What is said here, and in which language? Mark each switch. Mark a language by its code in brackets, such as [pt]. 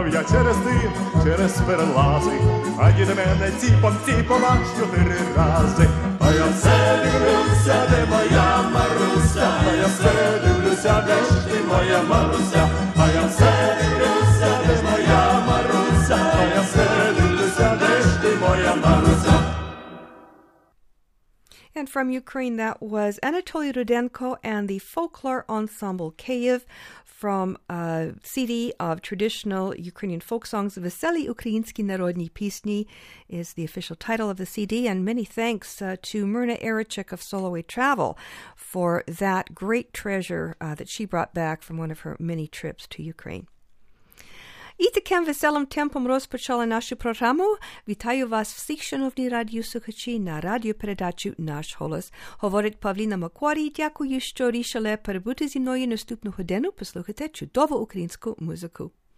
[uk] Через дим, через перелази, а дід мене ціпом-ціпом аж 4 рази. А я все дивлюся, де моя Маруся. А я все дивлюся, де ж ти моя Маруся. А я все дивлюся, де моя Маруся. А я все дивлюся, де ж ти моя Маруся. [en] And from Ukraine, that was Anatoly Rudenko and the Folklore Ensemble Kyiv from a CD of traditional Ukrainian folk songs. Veseli Ukrainski Narodni Pisni is the official title of the CD. And many thanks to Myrna Erichik of Soloway Travel for that great treasure that she brought back from one of her many trips to Ukraine. [uk] І таким веселим темпом розпочали нашу програму. Вітаю вас всіх, шановні радіослухачі, на радіопередачу «Наш голос». Говорить Павліна Макуарій. Дякую, що рішили перебути зі мною наступну годину, послухати чудову українську музику.